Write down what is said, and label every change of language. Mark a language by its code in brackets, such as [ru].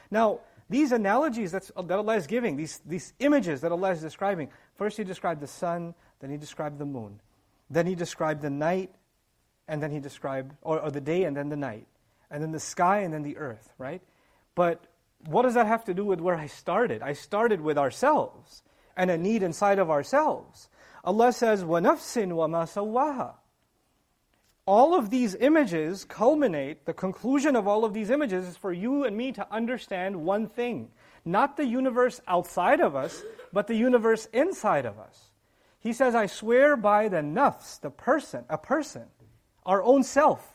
[en] Now, these analogies that Allah is giving, these images that Allah is describing, first He described the sun, then He described the moon, then He described the night, and then He described, or the day and then the night, and then the sky and then the earth, right? But what does that have to do with where I started? I started with ourselves and a need inside of ourselves. Allah says, [ar] وَنَفْسٍ وَمَا سَوَّاهَا. [en] All of these images culminate, the conclusion of all of these images is for you and me to understand one thing. Not the universe outside of us, but the universe inside of us. He says, I swear by the nafs, the person, a person, our own self.